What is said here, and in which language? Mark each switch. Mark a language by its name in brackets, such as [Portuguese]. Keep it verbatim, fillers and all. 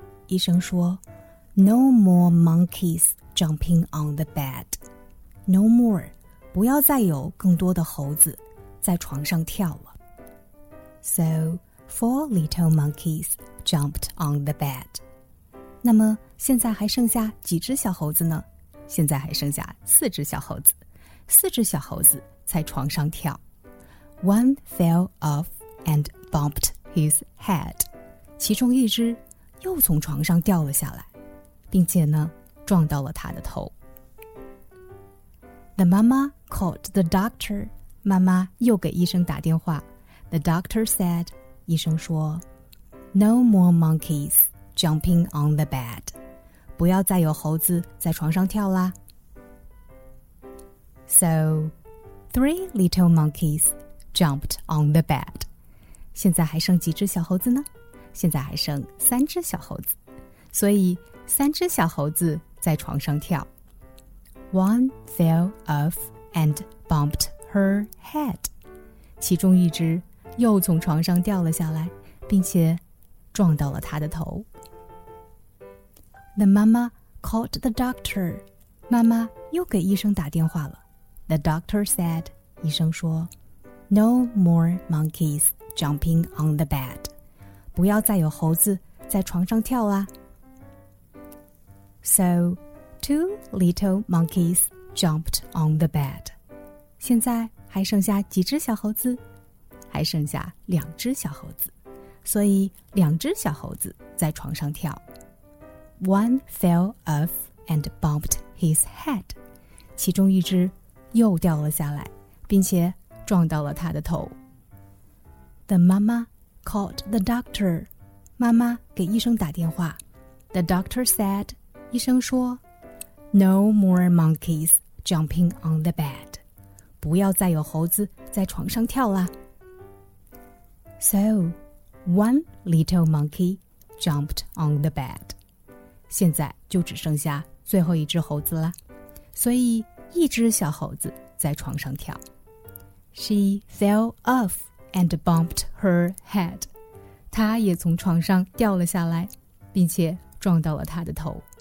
[Chinese] 医生说 [English] No more monkeys jumping on the bed. No more [Chinese] 不要再有更多的猴子在床上跳了。 [English] So four little monkeys jumped on the bed. [Chinese] 那么现在还剩下几只小猴子呢？现在还剩下四只小猴子，四只小猴子在床上跳。 [English] One fell off and bumped his head. [Chinese] 其中一只又从床上掉了下来，并且呢，撞到了他的头。 [English] The mama called the doctor. [Chinese] 妈妈又给医生打电话。 [English] The doctor said. [Chinese] 医生说 [English] No more monkeys jumping on the bed. [Chinese] 不要再有猴子在床上跳啦。 [English] So, three little monkeys jumped on the bed. [Chinese] 现在还剩几只小猴子呢？现在还剩三只小猴子，所以三只小猴子在床上跳。 [English] One fell off and bumped her head. [Chinese] 其中一只又从床上掉了下来，并且撞到了她的头。 [English] The mama called the doctor. [Chinese] 妈妈又给医生打电话了。 [English] The doctor said. [Chinese] 医生说 [English] No more monkeys jumping on the bed. [Chinese] 不要再有猴子在床上跳啦。 [English] So, two little monkeys jumped on the bed. [Chinese] 现在还剩下几只小猴子？还剩下两只小猴子，所以两只小猴子在床上跳。 [English] One fell off and bumped his head. [Chinese] 其中一只又掉了下来，并且撞到了他的头。 [English] The mama called the doctor. [Chinese] 妈妈给医生打电话。 [English] The doctor said. [Chinese] 医生说 [English] No more monkeys jumping on the bed. [Chinese] 不要再有猴子在床上跳啦。 [English] So, one little monkey jumped on the bed. [Chinese] 现在就只剩下最后一只猴子啦，所以一只小猴子在床上跳。 [English] She fell off and bumped her head. [Chinese] 她也从床上掉了下来，并且撞到了她的头。